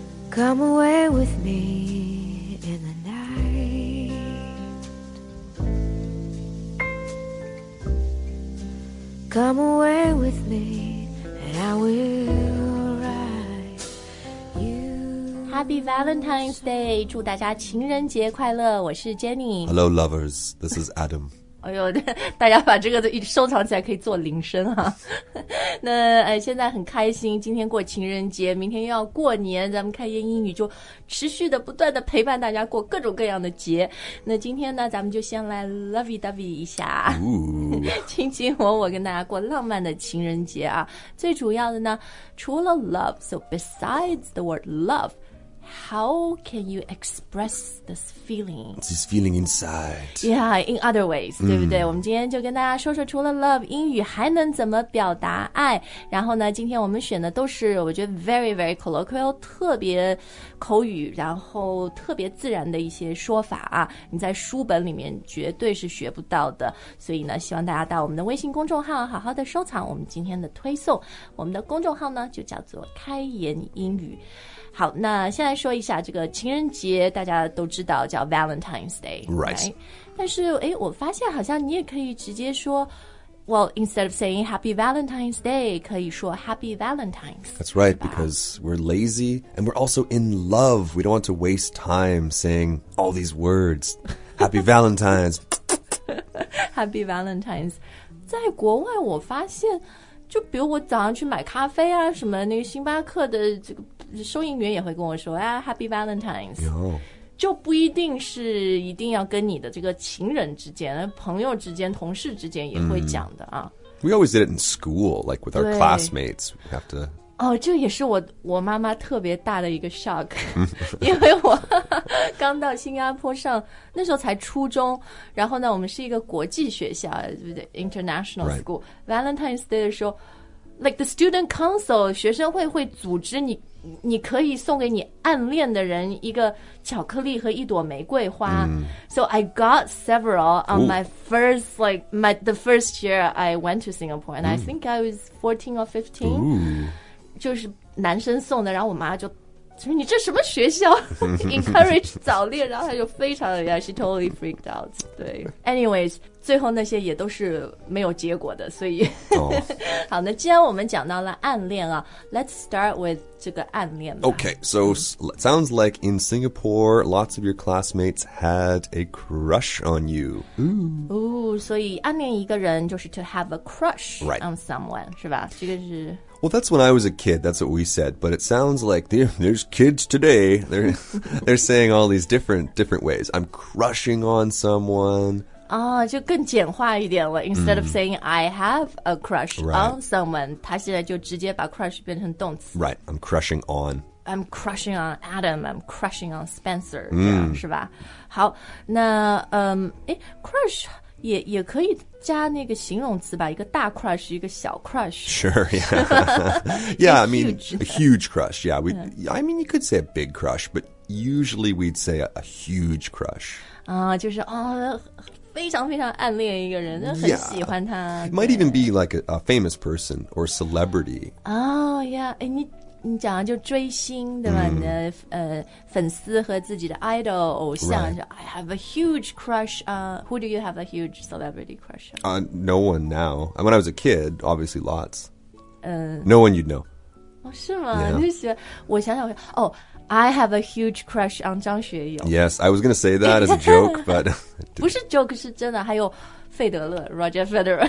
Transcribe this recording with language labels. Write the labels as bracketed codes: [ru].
[en] Come away with me in the night. Come away with me and I will write you. Happy Valentine's Day. [zh] 祝大家情人节快乐。我是 Jenny. [en] Hello lovers, this is Adam. [zh] 哎呦，大家把这个一收藏起来，可以做铃声啊。那现在很开心，今天过情人节，明天又要过年，咱们开言英语就持续的不断的陪伴大家过各种各样的节。那今天呢，咱们就先来 lovey dovey 一下，卿卿我我跟大家过浪漫的情人节啊。最主要的呢，除了 [en] love, so besides the word love,How can you express this feeling? This feeling inside. Yeah, in other ways,、 [zh] mm. 对不对？我们今天就跟大家说说除了 love, 英语还能怎么表达爱。然后呢，今天我们选的都是我觉得 [en] very, very colloquial, [zh] 特别口语，然后特别自然的一些说法啊。你在书本里面绝对是学不到的。所以呢，希望大家到我们的微信公众号好好的收藏我们今天的推送。我们的公众号呢，就叫做开言英语。好，那先来说一下这个情人节，大家都知道叫 Valentine's Day, [en] right? Right? [zh] 但是诶，我发现好像你也可以直接说 [en] well, instead of saying Happy Valentine's Day, [zh] 可以说 Happy Valentine's. [en] That's right, because we're lazy and we're also in love. We don't want to waste time saying all these words. Happy Valentine's. Happy Valentine's. [zh] 在国外我发现就比如我早上去买咖啡啊什么那个星巴克的这个收银员也会跟我说、啊、Happy Valentine's、 [en] Yo. [zh] 就不一定是一定要跟你的这个情人之间朋友之间同事之间也会讲的啊。 [en] Mm. We always did it in school, like with our classmates. We have to... [zh] 哦，这也是我妈妈特别大的一个 shock, 因为我刚到新加坡上那时候才初中，然后呢，我们是一个国际学校，对不对 ？International school、 [en] right. [zh] Valentine's Day 的时候 ， [en] like the student council [zh] 学生会会组织你可以送给你暗恋的人一个巧克力和一朵玫瑰花。 Mm. [en] So I got several on、Ooh. My first like my the first year I went to Singapore, and、 mm. I think I was 14 or 15. [zh] 就是男生送的，然后我妈就说你这什么学校encourage 早恋，然后她就非常的 [en] yeah, she totally freaked out, [zh] 对 anyways, 最后那些也都是没有结果的，所以、 [en] oh. [zh] 好，那既然我们讲到了暗恋啊， [en] let's start with [zh] 这个暗恋吧。 [en] Okay, so sounds like in Singapore, lots of your classmates had a crush on you. [zh] Ooh, 所以暗恋一个人就是 [en] to have a crush、 right. on someone, [zh] 是吧，这个是 [en] Well, that's when I was a kid, that's what we said, but it sounds like there's kids today, they're saying all these different ways. I'm crushing on someone. 哦、oh, [zh] 就更简化一点了 [en] instead、mm. of saying I have a crush、 right. on someone, [zh] 他现在就直接把 crush 变成动词。 [en] Right, I'm crushing on Adam, I'm crushing on Spencer,、 mm. [zh] 是吧？好，那、crush... 也可以加那个形容词吧，一个大 crush, 一个小 crush. [en] Sure, yeah. Yeah, I mean, a huge crush, yeah. We, yeah. I mean, you could say a big crush, but usually we'd say a huge crush. [zh] 啊、就是、哦、非常非常暗恋一个人，很喜欢他。 [en] Yeah. Might even be like a famous person or celebrity. Oh, yeah. [zh] 你讲的就追星对吧、mm. 粉丝和自己的 idol 偶像、 [en] right. I have a huge crush on, who do you have a huge celebrity crush on? No one now. When I was a kid, obviously lots. No one you'd know. [zh] 是吗、 [en] yeah. [zh] 我想想 [en] oh, I have a huge crush on 张学友 Yes, I was going to say that as a joke, but [zh] 不是 joke, 是真的还有费德勒 Roger Federer、